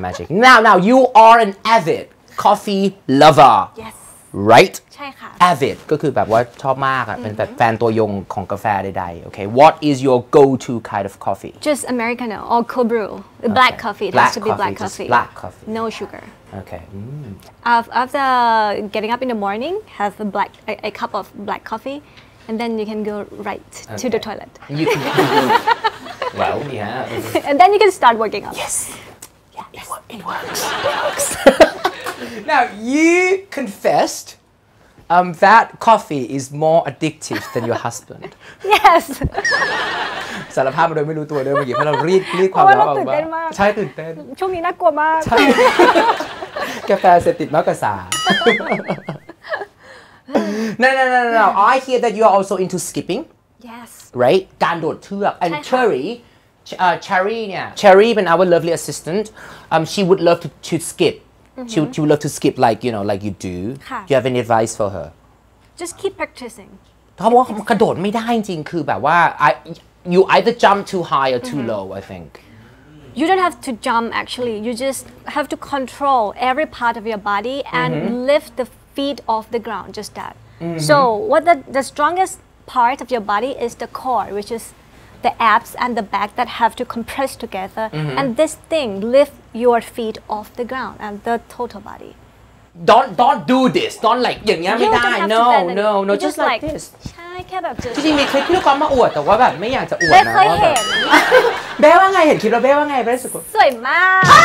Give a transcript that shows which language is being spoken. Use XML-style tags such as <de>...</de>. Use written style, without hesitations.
<en>Now, you are an avid coffee lover. Yes. Right?</en> <th>ใช่ค่ะ Avid ก็คือแบบว่าชอบมากอ่ะเป็นแบบแฟนตัวยงของกาแฟใดๆ Okay.</th> <en>What is your go-to kind of coffee? Just Americano or cold brew. Black okay. coffee. Black It has to be black coffee. Black coffee. No sugar. Okay. After getting up in the morning, have a cup of black coffee, and then you can go right to the toilet. You can go. Well, yeah. And then you can start working out. Yes. Yeah, yes. It works. Now, you confessed that coffee is more addictive than your husband. Yes.</en> <th>สารภาพมาโดยไม่รู้ตัวเลยเมื่อกี้เพราะเรารีดความ ร้อน ออ กมา ใช่ตื่นเต้น ช่วงนี้น่ากลัวมาก ใช่ กาแฟเสพติดมากกว่าสา</th> <en>No. I hear that you are also into skipping. Yes. Right?</en> <th>การโดดเชือก</th> <en>and curry Cherry เนี่ย Cherry เป็น our lovely assistant she would love to skip mm-hmm. she would love to skip like you know like you do do you have any advice for her just keep practicing</en> <th>เขาบอกว่ากระโดดไม่ได้จริงคือแบบว่า</th> <en>you either jump too high or too low I think you don't have to jump actually you just have to control every part of your body and lift the feet off the ground just that so what the strongest part of your body is the core which isthe abs and the back that have to compress together and this thing lift your feet off the ground and the total body don't do this don't like</en> <th>อย่างเงี้ยไม่ได้</th> <en>no just like this</en> <th>ใช่แค่แบบ จริงๆมีคลิปที่ลูกค้ามาอวดแต่ว่าแบบไม่อยากจะอวดนะ เคยเห็น เบ้ว่าไงเห็นคลิปแล้วเบ้ว่าไงเบ้รู้สึก สวยมาก</th>